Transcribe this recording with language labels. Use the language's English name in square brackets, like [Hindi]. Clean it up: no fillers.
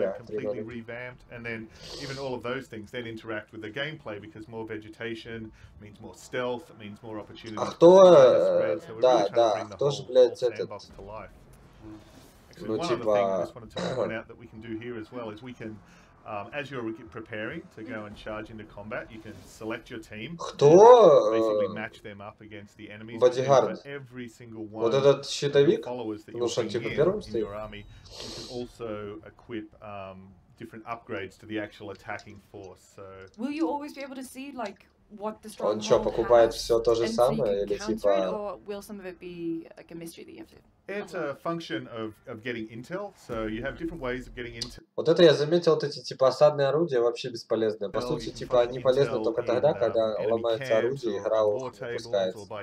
[English] Completely revamped, and then even all of those things then interact with the gameplay because more vegetation means more stealth, means more opportunity. [Russian] А кто, да, да, кто же, блядь, этот? Ну, типа... [English] One other thing I just wanted to point out that we can do here as well is we can, as you're preparing to go and charge into combat, you can select your team. [Russian] Кто? [English] Basically match them up against the enemy. [Russian] Бодигард. [English] Every single one. [Russian] Вот этот щитовик. Ну что, типа первым стоит. [English] Your army. You can also equip different upgrades to the actual attacking force. So. Will you always be able to see like what the stronghold? [Russian] Он что, покупает все то же самое или типа? [English] Or will some of it be like a mystery that you have to? It's a function of getting intel, so you have different ways of getting intel. [Russian] Вот это я заметил, вот эти типа осадные орудия вообще бесполезные. По сути, типа они полезны только тогда, когда ломается орудие, игра выпускается.